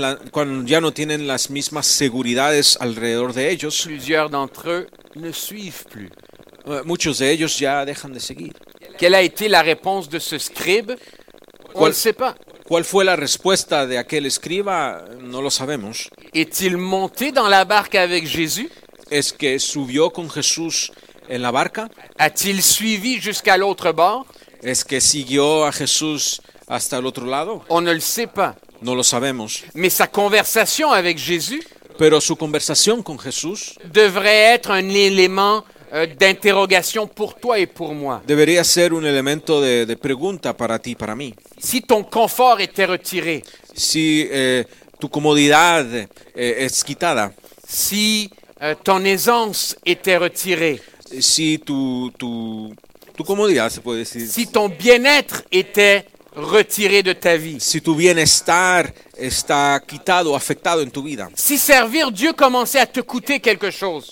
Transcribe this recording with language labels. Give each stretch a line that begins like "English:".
Spanish: Cuando ya no tienen las mismas seguridades alrededor de ellos.
French: Plusieurs d'entre eux ne suivent plus.
Spanish: Muchos de ellos ya dejan de seguir.
French: Quelle a été la réponse de ce scribe? On ne sait pas.
Spanish: ¿Cuál fue la respuesta de aquel escriba? No lo sabemos.
French: Est-il monté dans la barque avec Jésus?
Spanish: ¿Es que subió con Jesús en la barca?
French: A-t-il suivi jusqu'à l'autre bord?
Spanish: ¿Es que siguió a Jesús hasta el otro lado?
French: On ne le sait pas.
Spanish: No lo sabemos.
French: Mais sa conversation avec Jésus,
Spanish: pero su conversación con Jesús,
French: devrait être un élément d'interrogation pour toi et pour moi.
Spanish: Debería ser un elemento de pregunta para ti y para mí.
French: Si ton confort était retiré,
Spanish: si tu comodidad es quitada,
French: si ton aisance était retirée.
Spanish: Si tu comodidad se puede decir.
French: Si ton bien-être était retiré de ta vie.
Spanish: Si tu bienestar está quitado, afectado en tu vida.
French: Si servir Dieu commençait à te coûter quelque chose.